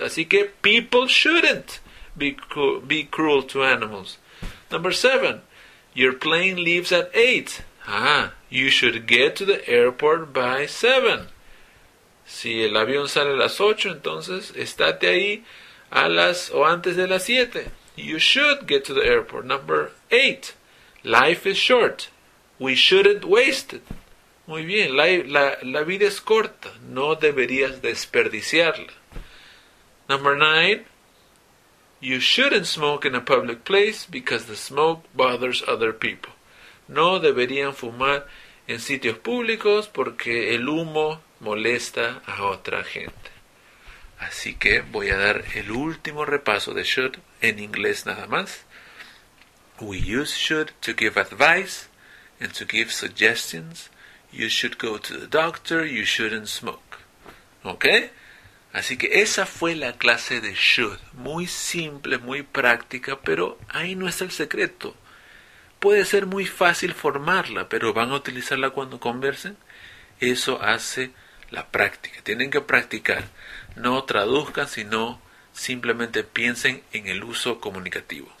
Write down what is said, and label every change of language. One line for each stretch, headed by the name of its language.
Spanish: Así que
English: people shouldn't be cruel to animals. Number 7. Your plane leaves at 8. Ah, you should get to the airport by 7.
Spanish: Si el avión sale a las 8, entonces estate ahí a las o antes de las 7.
English: You should get to the airport. Number 8. Life is short. We shouldn't waste it.
Spanish: Muy bien, la vida es corta, no deberías desperdiciarla.
English: Number 9, you shouldn't smoke in a public place because the smoke bothers other people.
Spanish: No deberían fumar en sitios públicos porque el humo molesta a otra gente. Así que voy a dar el último repaso de should en inglés nada más.
English: We use should to give advice and to give suggestions. You should go to the doctor, you shouldn't smoke.
Spanish: ¿Ok? Así que esa fue la clase de should. Muy simple, muy práctica, pero ahí no está el secreto. Puede ser muy fácil formarla, pero ¿van a utilizarla cuando conversen? Eso hace la práctica. Tienen que practicar. No traduzcan, sino simplemente piensen en el uso comunicativo.